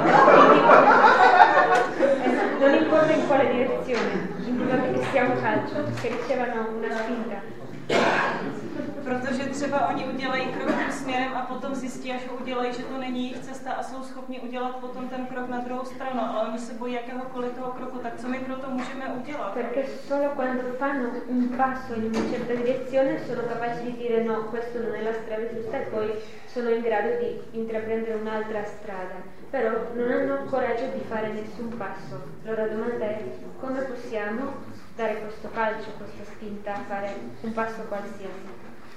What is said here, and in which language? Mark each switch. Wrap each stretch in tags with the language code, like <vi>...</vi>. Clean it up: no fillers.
<it>non importa in quale direzione, l'importante è che sia un calcio, che ricevano una spinta.</it> <cs>Protože třeba oni udělají krok tím směrem a potom zjistí, až ho udělají, že to není jejich cesta a jsou schopni udělat potom ten krok na druhou stranu, ale oni se bojí jakéhokoliv toho kroku, tak co my pro to můžeme udělat?</cs> <it>Perché solo quando fanno un passo in una certa direzione sono capaci di dire no, questo non è la strada giusta e poi sono in grado di intraprendere un'altra strada, però non hanno coraggio di fare nessun passo. Allora la domanda è come possiamo dare questo calcio, questa spinta a fare un passo qualsiasi.</it>